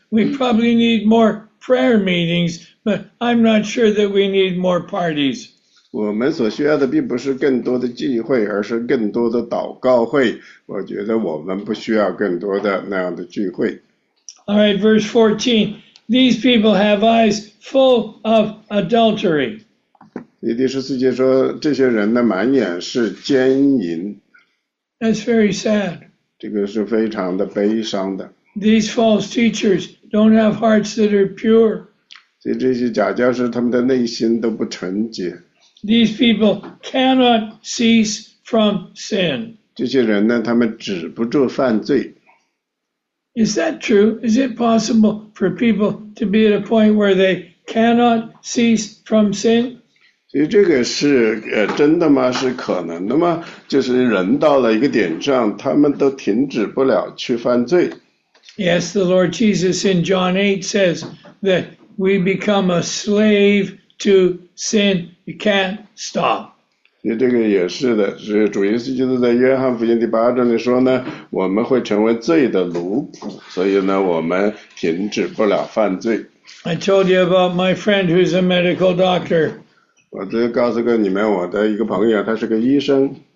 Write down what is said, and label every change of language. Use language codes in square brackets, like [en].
[en] We probably need more prayer meetings, but I'm not sure that we need more parties. [zh] 我们所需要的并不是更多的聚会，而是更多的祷告会。我觉得我们不需要更多的那样的聚会。 [en] All right, verse 14. These people have eyes full of adultery. [zh] 第14节说，这些人呢，满眼是奸淫。 [en] That's very sad. [zh] 这个是非常的悲伤的。 [en] These false teachers don't have hearts that are pure. [zh] 所以这些假教师，他们的内心都不纯洁。 [en] These people cannot cease from sin. [zh] 这些人呢，他们止不住犯罪。 [en] Is that true? Is it possible for people to be at a point where they cannot cease from sin? [zh] 所以这个是真的吗？是可能的吗？就是人到了一个点上，他们都停止不了去犯罪。 [en] Yes, the Lord Jesus in John 8 says that we become a slave to sin. You can't stop. [zh] 所以这个也是的，所以主耶稣基督在约翰福音第八章里说呢，我们会成为罪的奴仆，所以呢，我们停止不了犯罪。 [en] I told you about my friend who's a medical doctor. [zh] 我这告诉过你们我的一个朋友，他是个医生。